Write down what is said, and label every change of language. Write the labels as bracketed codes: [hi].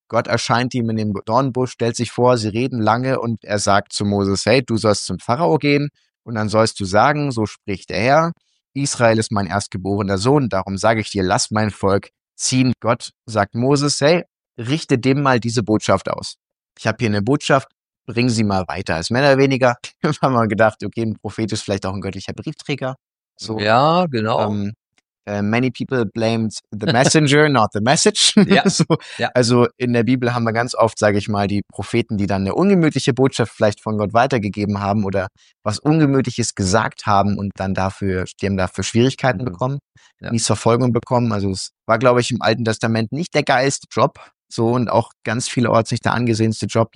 [de] Gott erscheint ihm in dem Dornbusch, stellt sich vor, sie reden lange und er sagt zu Moses, hey, du sollst zum Pharao gehen und dann sollst du sagen, so spricht der Herr, Israel ist mein erstgeborener Sohn, darum sage ich dir, lass mein Volk ziehen. Gott sagt Moses, hey, richte dem mal diese Botschaft aus. Ich habe hier eine Botschaft, bring sie mal weiter. Als Männer weniger, haben wir gedacht, okay, ein Prophet ist vielleicht auch ein göttlicher Briefträger. So, ja, genau. [en] Many people blamed the messenger, not the message. [de] Ja. So, ja. Also in der Bibel haben wir ganz oft, sage ich mal, die Propheten, die dann eine ungemütliche Botschaft vielleicht von Gott weitergegeben haben oder was Ungemütliches gesagt haben und dann dafür, die haben dafür Schwierigkeiten bekommen, mies Verfolgung bekommen. Also es war, glaube ich, im Alten Testament nicht der geilste Job. So, und auch ganz vielerorts nicht der angesehenste Job.